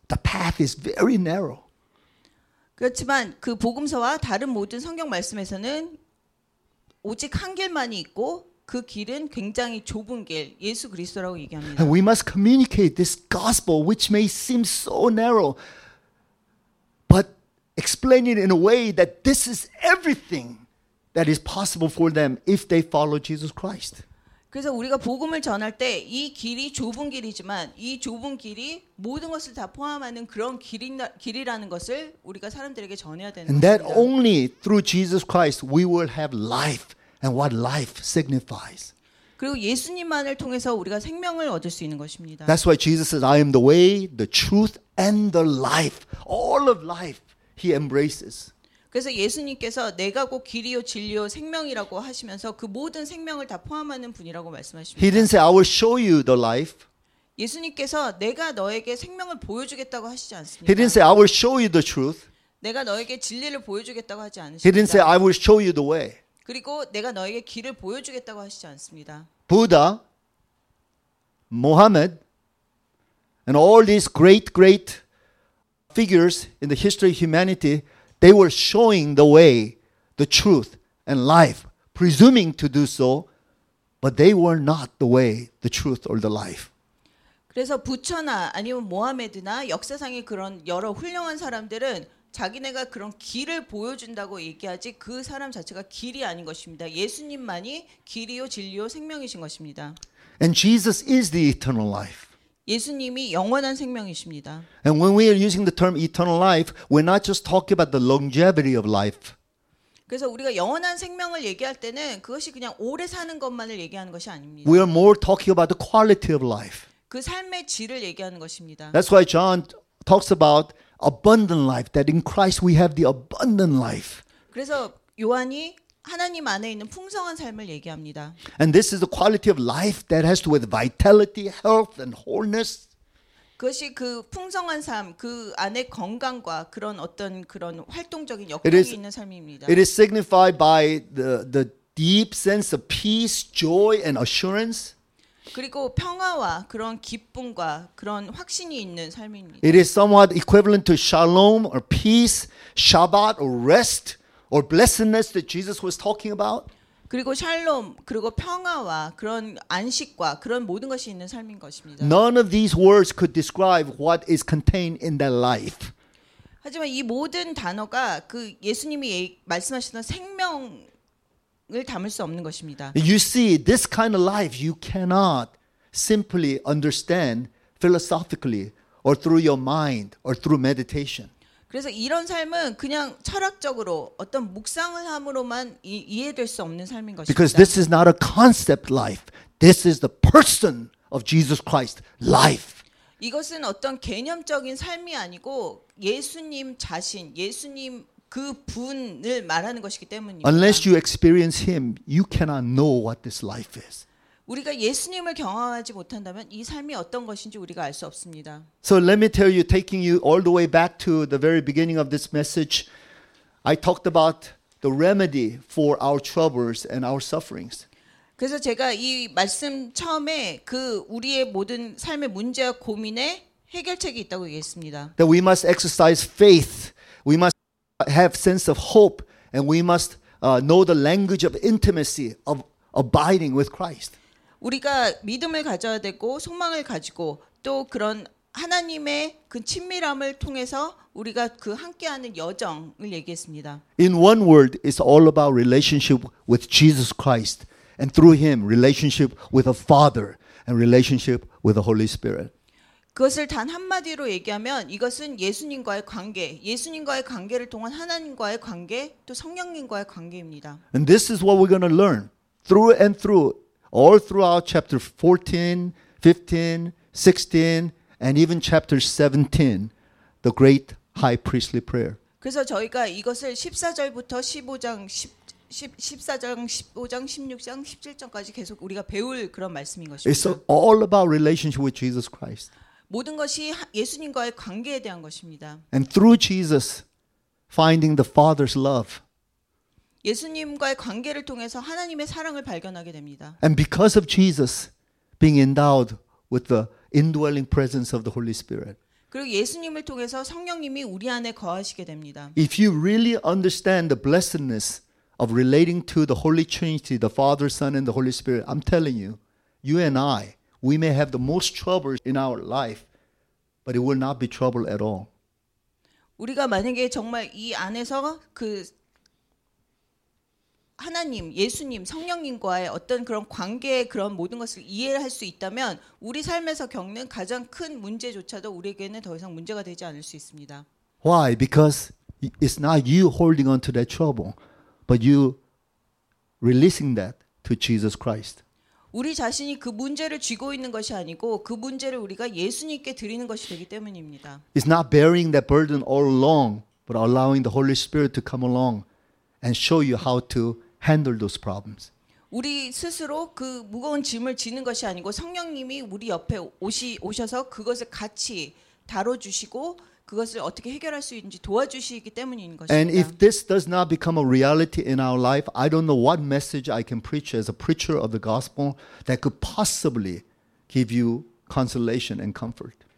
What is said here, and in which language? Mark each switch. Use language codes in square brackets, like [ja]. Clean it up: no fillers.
[en] The path is very narrow. [ko] 그렇지만 그 복음서와 다른 모든 성경 말씀에서는 오직 한 길만이 있고 그 길은 굉장히 좁은 길, 예수 그리스도라고 얘기합니다. [en] And we must communicate this gospel, which may seem so narrow, but explain it in a way that this is everything that is possible for them if they follow Jesus Christ. [ko] 그래서 우리가 복음을 전할 때 이 길이 좁은 길이지만 이 좁은 길이 모든 것을 다 포함하는 그런 길이라는 것을 우리가 사람들에게 전해야 되는 [en] And that [ko] 것입니다. [en] Only through Jesus Christ we will have life and what life signifies. [ko] 그리고 예수님만을 통해서 우리가 생명을 얻을 수 있는 것입니다. [en] That's why Jesus says, I am the way, the truth, and the life. All of life. He embraces. [ko] 그래서 예수님께서 내가 곧 길이요 진리요 생명이라고 하시면서 그 모든 생명을 다 포함하는 분이라고 말씀하십니다. [en] He didn't say I will show you the life. [ko] 예수님께서 내가 너에게 생명을 보여주겠다고 하시지 않습니다. [en] He didn't say I will show you the truth. [ko] 내가 너에게 진리를 보여주겠다고 하지 않습니다. [en] He didn't say I will show you the way. [ko] 그리고 내가 너에게 길을 보여주겠다고 하시지 않습니다. [en] Buddha, Muhammad, and all these great figures in the history of humanity, they were showing the way, the truth, and life, presuming to do so, but they were not the way, the truth, or the life. [ko] 그래서 부처나 아니면 모하메드나 역사상의 그런 여러 훌륭한 사람들은 자기네가 그런 길을 보여준다고 얘기하지 그 사람 자체가 길이 아닌 것입니다. 예수님만이 길이요 진리요 생명이신 것입니다. [en] And Jesus is the eternal life. [ko] 예수님이 영원한 생명이십니다. [en] And when we are using the term eternal life, we're not just talking about the longevity of life. [ko] 그래서 우리가 영원한 생명을 얘기할 때는 그것이 그냥 오래 사는 것만을 얘기하는 것이 아닙니다. [en] We are more talking about the quality of life. [ko] 그 삶의 질을 얘기하는 것입니다. [en] That's why John talks about abundant life, that in Christ we have the abundant life. [ko] 그래서 요한이 하나님 안에 있는 풍성한 삶을 얘기합니다. [en] And this is the quality of life that has to do with vitality, health, and wholeness. [ko] 그것이 그 풍성한 삶, 그 안에 건강과 그런 어떤 그런 활동적인 역동이 있는 삶입니다. [en] It is signified by the deep sense of peace, joy, and assurance. [ko] 그리고 평화와 그런 기쁨과 그런 확신이 있는 삶입니다. [en] It is somewhat equivalent to shalom or peace, Shabbat or rest. Or blessedness that Jesus was talking about. [ko] 그리고 샬롬, 그리고 평화와 그런 안식과 그런 모든 것이 있는 삶인 것입니다. [en] None of these words could describe what is contained in that life. [ko] 하지만 이 모든 단어가 그 예수님이 말씀하시는 생명을 담을 수 없는 것입니다. [en] You see, this kind of life you cannot simply understand philosophically or through your mind or through meditation. [ko] 그래서 이런 삶은 그냥 철학적으로 어떤 묵상을 함으로만 이해될 수 없는 삶인 것입니다. [en] Because this is not a concept life. This is the person of Jesus Christ life. [ko] 이것은 어떤 개념적인 삶이 아니고 예수님 자신, 예수님 그 분을 말하는 것이기 때문입니다. [en] Unless you experience him, you cannot know what this life is. [ko] 우리가 예수님을 경험하지 못한다면 이 삶이 어떤 것인지 우리가 알 수 없습니다. [en] So let me tell you, taking you all the way back to the very beginning of this message, I talked about the remedy for our troubles and our sufferings. [ko] 그래서 제가 이 말씀 처음에 그 우리의 모든 삶의 문제와 고민에 해결책이 있다고 얘기했습니다. [en] That we must exercise faith, we must have sense of hope, and we must know the language of intimacy of abiding with Christ. [ko] 우리가 믿음을 가져야 되고 소망을 가지고 또 그런 하나님의 그 친밀함을 통해서 우리가 그 함께하는 여정을 얘기했습니다. [en] In one word, it's all about relationship with Jesus Christ. And through him, relationship with the Father and relationship with the Holy Spirit. [ko] 그것을 단 한마디로 얘기하면 이것은 예수님과의 관계, 예수님과의 관계를 통한 하나님과의 관계, 또 성령님과의 관계입니다. [en] And this is what we're going to learn through and through, all throughout chapter 14, 15, 16, and even chapter 17, the great high priestly prayer. [ko] 그래서 저희가 이것을 14절부터 15장, 14장, 15장, 16장, 17장까지 계속 우리가 배울 그런 말씀인 것입니다. [en] It's all about relationship with Jesus Christ. [ko] 모든 것이 예수님과의 관계에 대한 것입니다. [en] And through Jesus, finding the Father's love. [ko] 예수님과의 관계를 통해서 하나님의 사랑을 발견하게 됩니다. [en] And because of Jesus being endowed with the indwelling presence of the Holy Spirit. [ko] 그리고 예수님을 통해서 성령님이 우리 안에 거하시게 됩니다. [en] If you really understand the blessedness of relating to the Holy Trinity, the Father, Son, and the Holy Spirit, I'm telling you, you and I, we may have the most troubles in our life, but it will not be trouble at all. [ko] 우리가 만약에 정말 이 안에서 그 하나님, 예수님, 성령님과의 어떤 그런 관계의 그런 모든 것을 이해할 수 있다면 우리 삶에서 겪는 가장 큰 문제조차도 우리에게는 더 이상 문제가 되지 않을 수 있습니다. [en] Why? Because it's not you holding on to that trouble. But you releasing that to Jesus Christ. [ko] 우리 자신이 그 문제를 쥐고 있는 것이 아니고 그 문제를 우리가 예수님께 드리는 것이 되기 때문입니다. [en] It's not bearing that burden all along, but allowing the Holy Spirit to come along and show you how to handle those problems. [ko] 우리 스스로 그 무거운 짐을 지는 것이 아니고 성령님이 우리 옆에 오셔서 그것을 같이 다뤄주시고 그것을 어떻게 해결할 수 있는지 도와주시기 때문인 것입니다. [en] And if this does not become a reality in our life, I don't know what message I can preach as a preacher of the gospel that could possibly give you consolation and comfort.